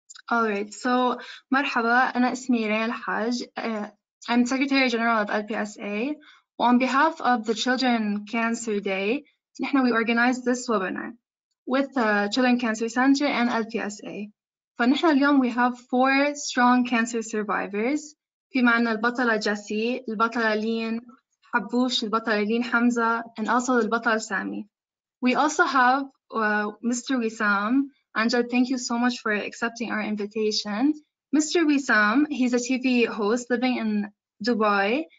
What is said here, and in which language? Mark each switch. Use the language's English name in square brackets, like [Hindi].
[English] All right, so [Arabic] مرحبا, أنا اسمي ريان الحاج. [English] I'm Secretary General of LPSA. On behalf of the Children Cancer Day, [Arabic] نحن [English] we organized this webinar with the Children Cancer Center and LPSA. [Arabic] فنحن اليوم [English] we have four strong cancer survivors. [Arabic] في معنا البطلة جيسي, البطلة لين, Habbouch, البطلة لين حمزة, [English] and also [Arabic] البطل سامي. [English] We also have Mr. Wissam. Angel, thank you so much for accepting our invitation. Mr. Wissam, he's a TV host living in Dubai.